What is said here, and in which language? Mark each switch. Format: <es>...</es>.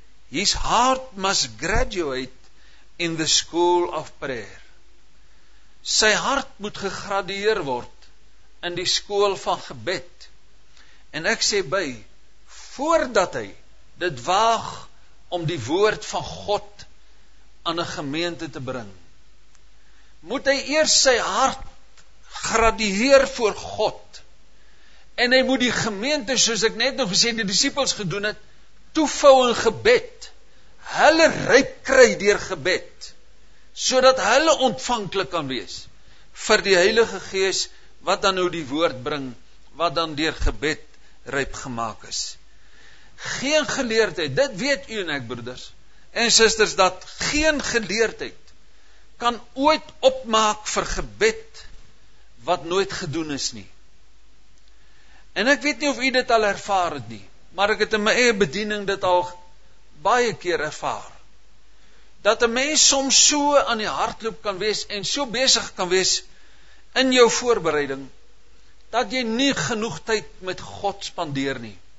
<en>His heart must graduate in the school of prayer.</en> <af>Sy hart moet gegradueer word in die skool van gebed. En ek sê by, voordat hy dit waag om die woord van God aan 'n gemeente te bring, moet hy eers sy hart gradueer voor God. En hy moet die gemeente, soos ek net nog gesê, die disippels gedoen het, toevou in gebed. Hulle ryp kry deur gebed, sodat hulle ontvanklik kan wees vir die Heilige Gees wat dan nou die woord bring, wat dan deur gebed ryp gemaak is. Geen geleerdheid, dit weet u en ek broeders en susters, dat geen geleerdheid kan ooit opmaak vir gebed wat nooit gedoen is nie. En ek weet nie of u dit al ervaar het nie, maar ek het in my eie bediening dit al baie keer ervaar, dat een mens soms so aan die hartloop kan wees, en so bezig kan wees, in jou voorbereiding, dat jy nie genoeg tyd met God spandeer nie.</af>